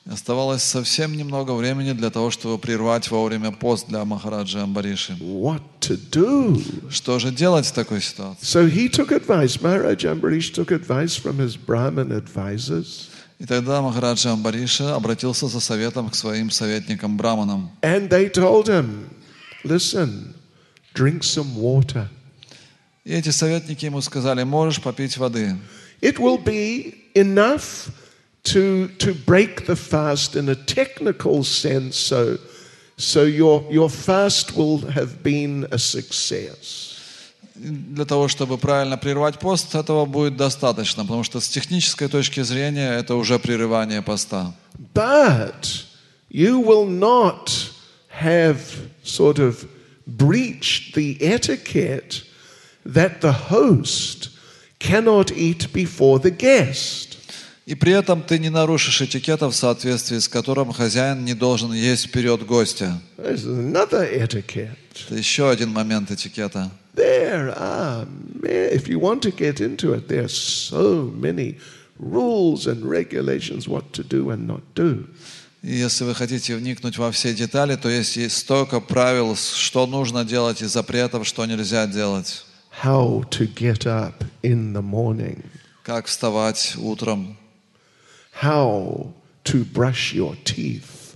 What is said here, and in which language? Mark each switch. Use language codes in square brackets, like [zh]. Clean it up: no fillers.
[ru] Оставалось совсем немного времени для того, чтобы прервать вовремя пост для Махараджи Амбариши. [en] What to do? [ru] Что же делать в такой ситуации? [en] So he took advice. Maharaj Ambarish took advice from his Brahmin advisors. [ru] И тогда Махараджи Амбариши обратился за советом к своим советникам Браманам. [en] And they told him, listen, drink some water. [ru] И эти советники ему сказали, можешь попить воды. [en] It will be enough to break the fast in a technical sense, so your fast will have been a success. [ru] Для того, чтобы правильно прервать пост, этого будет достаточно, потому что с технической точки зрения это уже прерывание поста. [en] But you will not have sort of breached the etiquette that the host cannot eat before the guest. [ru] И при этом ты не нарушишь этикета, в соответствии с которым хозяин не должен есть вперед гостя. [en] This is another etiquette. [ru] Это еще один момент этикета. [en] There are, if you want to get into it, there are so many rules and regulations what to do and not do. [ru] И если вы хотите вникнуть во все детали, то есть столько правил, что нужно делать и запретов, что нельзя делать. [en] How to get up in the morning. [ru] Как вставать утром. [en] How to brush your teeth.